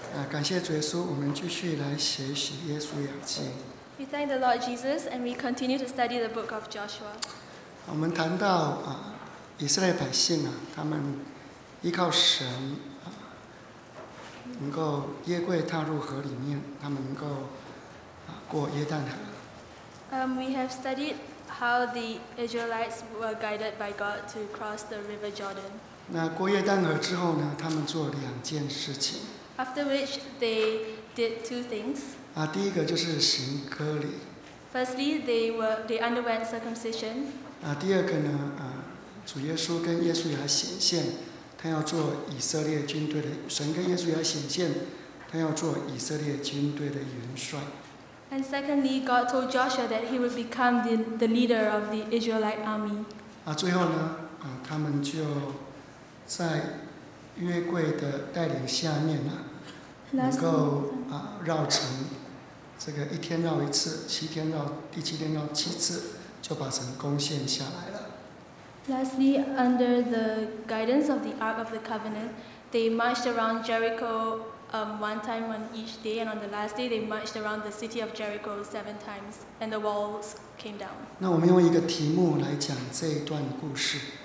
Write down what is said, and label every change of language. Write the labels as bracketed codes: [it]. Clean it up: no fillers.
[zh] 感谢主耶稣，我们继续来学习耶稣雅记。 [en] We thank the Lord Jesus, and we continue to study the book of Joshua. [zh] 我们谈到以色列百姓他们依靠神能够耶柜踏入河里面，他们能够过约旦河。 [en] We have studied how the Israelites were guided by God to cross the River Jordan. [zh] 那过约旦河之后呢，他们做两件事情。 [en] After which they did two things. [zh] 第一个就是行割礼。 [en] Firstly, they underwent circumcision. [zh] 第二个呢，主耶稣跟耶稣雅显现，他要做以色列军队的神跟耶稣雅显现，他要做以色列军队的元帅。 [en] And secondly, God told Joshua that he would become the leader of the Israelite army. [zh] 最后呢，他们就在约柜的带领下面能够绕城，这个一天绕一次，七天绕，第七天绕七次，就把城攻陷下来了。 [en] Lastly, under the guidance of the Ark of the Covenant, they marched around Jericho one time on each day, and on the last day, they marched around the city of Jericho seven times, and the walls came down. [zh] 那我们用一个题目来讲这一段故事。